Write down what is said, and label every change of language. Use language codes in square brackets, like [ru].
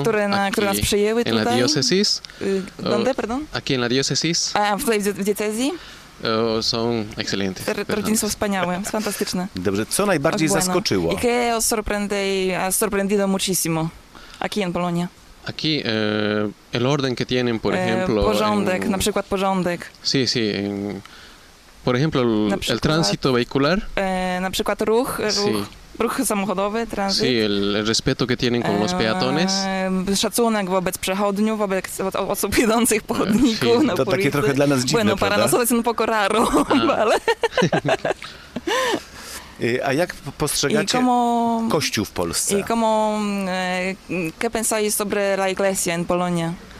[pl] Które nas przyjęły tutaj. [es] En la diócesis. ¿Dónde, perdón? Aquí en la diócesis. [pl] W tej diecezji? Są [es] excelentes. [pl] Rodziny są wspaniałe, fantastyczne. Dobrze, co najbardziej zaskoczyło? [es] Y que os sorprendido muchísimo. Aquí en Polonia. Aquí el orden que tienen, por ejemplo. [pl] Porządek, na przykład porządek. [es] Sí, sí. Por ejemplo, el tránsito vehicular. [pl] Na przykład ruch, ruch samochodowy, tranzyt. [es] Sí, el respeto que tienen con los peatones. [pl] Szacunek wobec przechodniów, wobec osób jadących po chodniku. [es] Sí. [pl] To takie trochę dla nas dziwne, [es] bueno, [pl] prawda? [es] Bueno, para nosotros un poco raro, [pl] ale... A jak postrzegacie Kościół w Polsce? [es] I como, ¿qué pensáis sobre la iglesia en Polonia?